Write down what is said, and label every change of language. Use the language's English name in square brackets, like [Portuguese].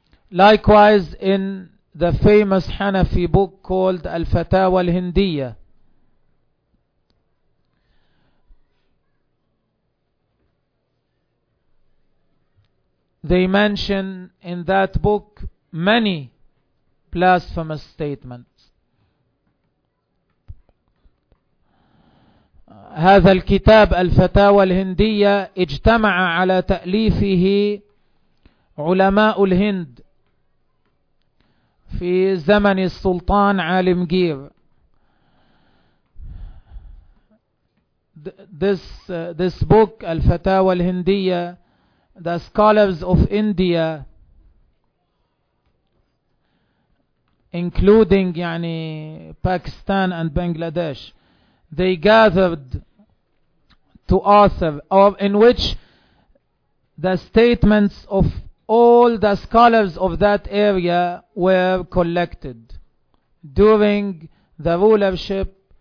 [English] Likewise, in the famous Hanafi book called الفتاوى الهندية, they mention in that book many blasphemous statements. [Arabic] هذا الكتاب الفتاوى الهندية اجتمع على تأليفه علماء الهند في زمن السلطان عالمجير. [English] This book الفتاوى الهندية, the scholars of India, including يعني Pakistan and Bangladesh, they gathered to author, or in which the statements of all the scholars of that area were collected during the rulership